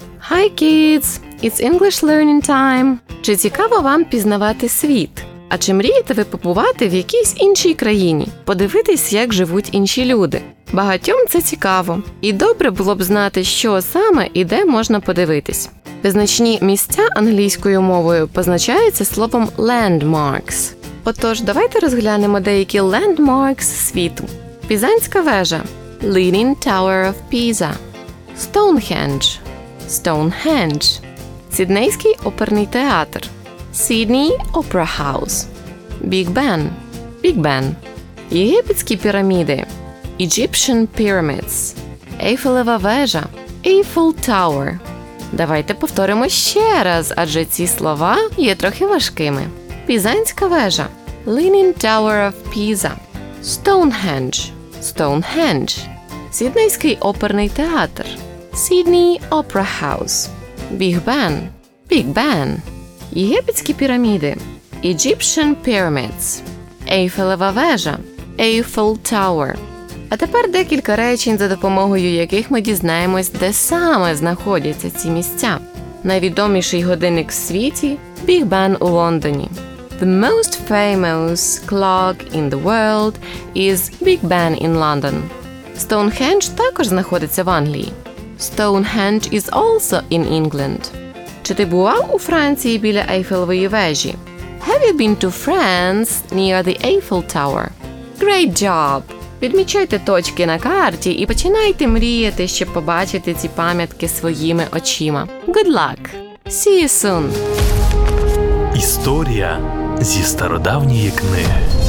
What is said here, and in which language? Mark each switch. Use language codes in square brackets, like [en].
[en] Hi kids, it's English learning time. [uk] Чи цікаво вам пізнавати світ? А чи мрієте ви побувати в якійсь іншій країні, подивитись, як живуть інші люди? Багатьом це цікаво, і добре було б знати, що саме і де можна подивитись. Визначні місця англійською мовою позначаються словом landmarks. Отож, давайте розглянемо деякі landmarks світу. [en] Пізанська вежа – Leaning Tower of Pisa. Stonehenge – Stonehenge. [uk] Сіднейський оперний театр – Sydney Opera House. [en] Big Ben – Big Ben. [uk] Єгипетські піраміди – Egyptian Pyramids. Ейфелева вежа – Eiffel Tower. Давайте повторимо ще раз, адже ці слова є трохи важкими. [en] Пізанська вежа – Leaning Tower of Pisa. Stonehenge. Stonehenge. [uk] Сіднейський оперний театр. [en] Sydney Opera House. Big Ben. Big Ben. [uk] Єгипетські піраміди. Egyptian Pyramids. Ейфелева вежа. Eiffel Tower. А тепер декілька речень, за допомогою яких ми дізнаємось, де саме знаходяться ці місця. Найвідоміший годинник в світі – Big Ben у Лондоні. [en] The most famous clock in the world is Big Ben in London. [uk] Stonehenge також знаходиться в Англії. [en] Stonehenge is also in England. [uk] Чи ти бував у Франції біля Ейфелевої вежі? [en] Have you been to France near the Eiffel Tower? Great job! [uk] Відмічайте точки на карті і починайте мріяти, щоб побачити ці пам'ятки своїми очима. [en] Good luck! See you soon! [uk] Історія зі стародавньої книги.